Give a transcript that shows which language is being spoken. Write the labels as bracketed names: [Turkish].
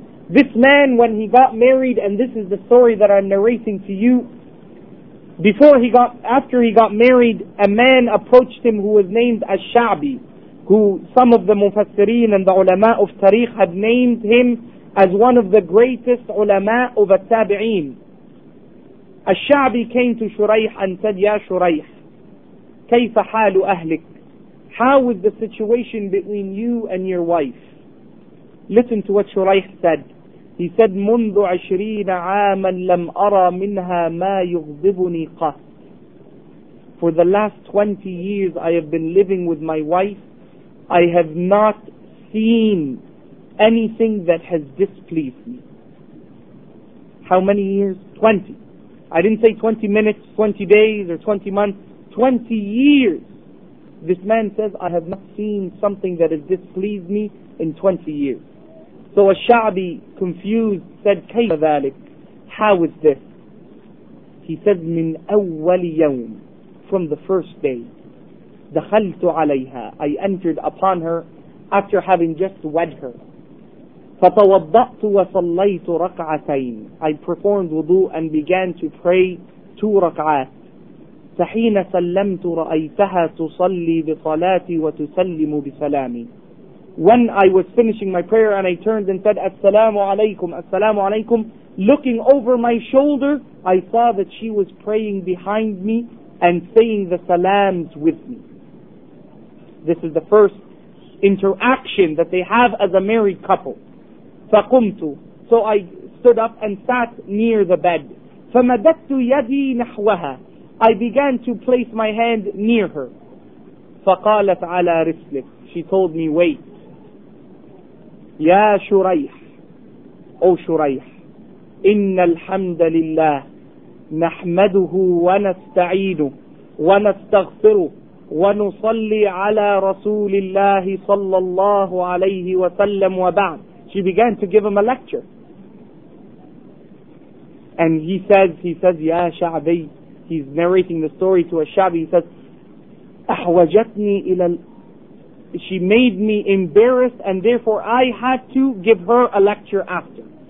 [English] This man, when he got married, and this is the story that I'm narrating to you, after he got married, a man approached him who was named Al-Sha'bi, who some of the Mufassireen and the ulama of Tariq had named him as one of the greatest ulama of At-Tabi'een. Al-Sha'bi came to Shuraih and said, Ya Shuraih, [Arabic] كيف حال أهلك? [English] How is the situation between you and your wife? Listen to what Shuraih said. He said, [Arabic] منذ 20 عاما لم أرى منها ما يغضبني قط. [English] For the last 20 years I have been living with my wife, I have not seen anything that has displeased me. How many years? 20. I didn't say 20 minutes, 20 days, or 20 months. 20 years. This man says, I have not seen something that has displeased me in 20 years. So Al-Sha'bi, confused, said, [Arabic] كيف ذلك? [English] How is this? He said, [Arabic] من أول يوم, [English] from the first day, [Arabic] دخلت عليها, [English] I entered upon her after having just wed her. [Arabic] فتوضأت وصليت ركعتين, [English] I performed wudu and began to pray two ركعات. [Arabic] فحين سلمت رأيتها تصلي بصلاتي وتسلم بسلامي. [English] When I was finishing my prayer and I turned and said, Assalamu alaikum, Assalamu alaikum, looking over my shoulder, I saw that she was praying behind me and saying the salams with me. This is the first interaction that they have as a married couple. [Arabic] فقمت. [English] So I stood up and sat near the bed. [Arabic] فمددت يدي نحوها. [English] I began to place my hand near her. [Arabic] فقالت على رسلك. [English] She told me, wait. [Arabic] Ya Shuraih, [English] O Shuraih, [Arabic] إِنَّ الْحَمْدَ لِلَّهِ نَحْمَدُهُ وَنَسْتَعِينُهُ وَنَسْتَغْفِرُهُ وَنُصَلِّي عَلَى رَسُولِ اللَّهِ صَلَّى اللَّهُ عَلَيْهِ وَسَلَّمُ وَبَعْدُ. [English] She began to give him a lecture. And he says, Ya Sha'bi, he's narrating the story to Al-Sha'bi, he says, [Arabic] أَحْوَجَتْنِي إِلَى [English] She made me embarrassed and therefore I had to give her a lecture after.